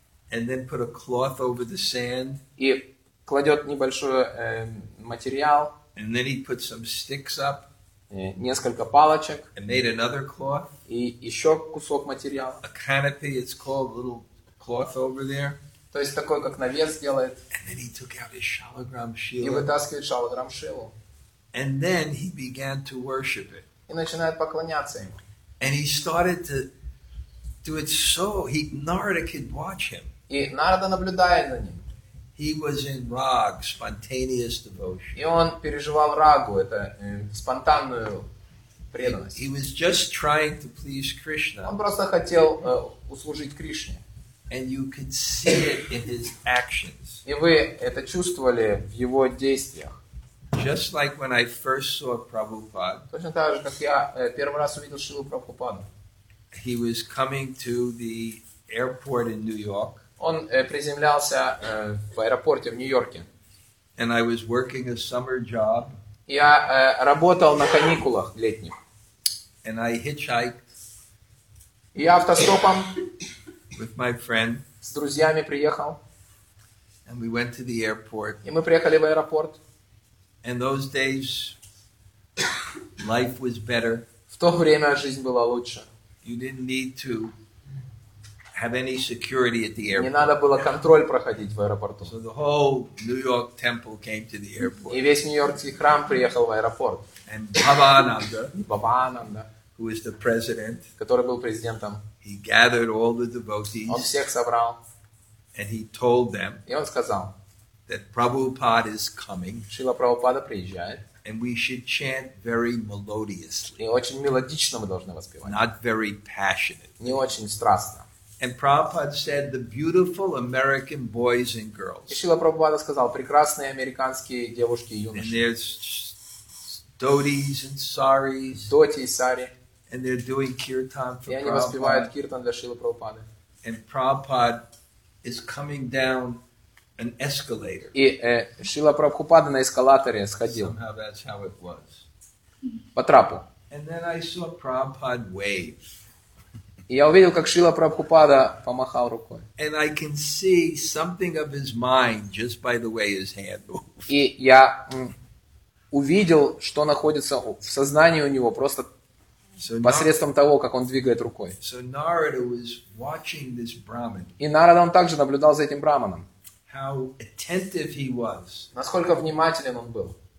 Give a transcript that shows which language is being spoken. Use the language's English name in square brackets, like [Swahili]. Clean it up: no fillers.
[English] and then put a cloth over the sand, [Russian] и кладет небольшой материал. [English] And then he put some sticks up, [Russian] несколько палочек, [English] and made another cloth, [Russian] и еще кусок материала, [English] a canopy, it's called, a little cloth over there, [Russian] то есть такой, как навес делает, [English] and then he took out his shalagram shield, [Russian] и вытаскивает шалаграм шилу, [English] and then he began to worship it, [Russian] и начинает поклоняться ему, [English] and he started to do it so he Narada could watch him, [Russian] и Нарада наблюдает за ним. [English] He was in rag, spontaneous devotion. [Russian] И он переживал рагу, это спонтанную преданность. [English] He was just trying to please Krishna. [Russian] Он просто хотел услужить Кришне. [English] And you could see it in his actions. [Russian] И вы это чувствовали в его действиях. [English] Just like when I first saw Prabhupada. [Russian] Точно так же, как я первый раз увидел Шрилу Прабхупаду. [English] He was coming to the airport in New York. [Russian] Он приземлялся в аэропорте в Нью-Йорке. [English] And I was working a summer job. [Russian] Я работал на каникулах летних. [English] And I hitchhiked. [Russian] И я автостопом [English] with my friend. [Russian] С друзьями приехал. [English] And we went to the airport. [Russian] И мы приехали в аэропорт. [English] And those days life was better. [Russian] В то время жизнь была лучше. [English] You didn't need to have any security at the airport. [Russian] Не надо было контроль проходить в аэропорту. [English] So the whole New York temple came to the airport. [Russian] И весь Нью-Йоркский храм приехал в аэропорт. [English] And Bhavananda, [Russian] Bhavananda, [English] who is the president, [Russian] который был президентом, [English] he gathered all the devotees. [Russian] Он всех собрал. [English] And he told them. [Russian] И он сказал, [English] that Prabhupada is coming. [Russian] Шрила Прабхупада приезжает. [English] And we should chant very melodiously. [Russian] И очень мелодично мы должны воспевать. [English] Not very passionate. [Russian] Не очень страстно. [English] And Prabhupada said, "The beautiful American boys and girls." [Russian] И Шрила Прабхупада сказал, прекрасные американские девушки и юноши. [English] And there's dhotis and saris. [Russian] Dhoti, sari. [English] And they're doing kirtan for Prabhupada. [Russian] И они воспевают киртан для Шрилы Прабхупады. [English] And Prabhupada is coming down an escalator. [Russian] И Шрила Прабхупада на эскалаторе сходил. [English] Somehow that's how it was. [Russian] По трапу. [English] And then I saw Prabhupada wave. [Russian] И я увидел, как Шрила Прабхупада помахал рукой. [English] And I can see something of his mind just by the way his hand moved. [Russian] И я увидел, что находится в сознании у него просто посредством того, как он двигает рукой. [English] So Narada was watching this Brahmin. [Russian] И Нарада, он также наблюдал за этим Брахманом. [English] How attentive he was. [Russian] Насколько внимателен он был.